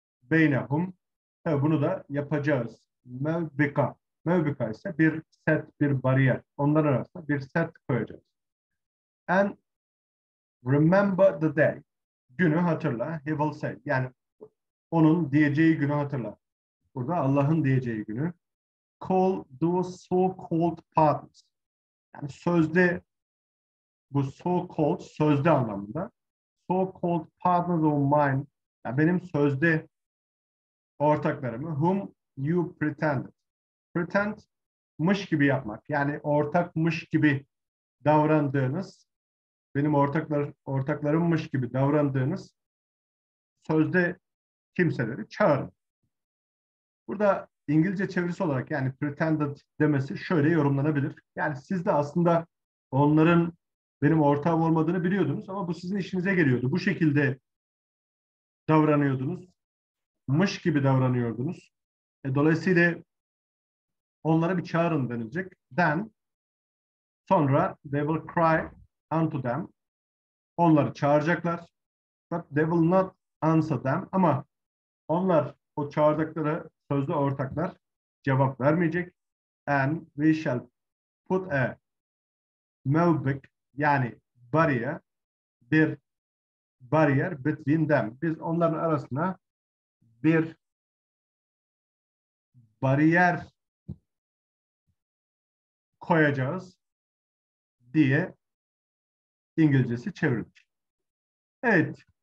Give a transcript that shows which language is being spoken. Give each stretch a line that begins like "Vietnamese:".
Turkish: Beynehum tabi bunu da yapacağız. Mevbika. Mevbika ise bir set, bir bariyer. Onlar arasında bir set koyacağız.
English: And remember the day.
Turkish: Günü hatırla.
English: He will say.
Turkish: Yani onun diyeceği günü hatırla. Burada Allah'ın diyeceği günü.
English: Call those so-called partners.
Turkish: Yani sözde bu so-called sözde anlamında.
English: So-called partners of mine.
Turkish: Yani benim sözde ortaklarımı.
English: Whom you pretended.
Turkish: Pretend'mış gibi yapmak. Yani ortakmış gibi davrandığınız. Benim ortaklarımmış gibi davrandığınız. Sözde kimseleri çağırın. Burada İngilizce çevirisi olarak yani pretended demesi şöyle yorumlanabilir. Yani siz de aslında onların benim ortağım olmadığını biliyordunuz ama bu sizin işinize geliyordu. Bu şekilde davranıyordunuz. Mış gibi davranıyordunuz. Dolayısıyla onlara bir çağırın denilecek.
English: Then sonra they will cry unto them.
Turkish: Onları çağıracaklar.
English: But they will not answer them.
Turkish: Ama onlar o çağırdıkları sözlü ortaklar cevap vermeyecek.
English: And we shall put a mevbik
Turkish: yani bariyer bir bariyer
English: between them.
Turkish: Biz onların arasına bir bariyer koyacağız diye İngilizcesi çevirdik. Evet.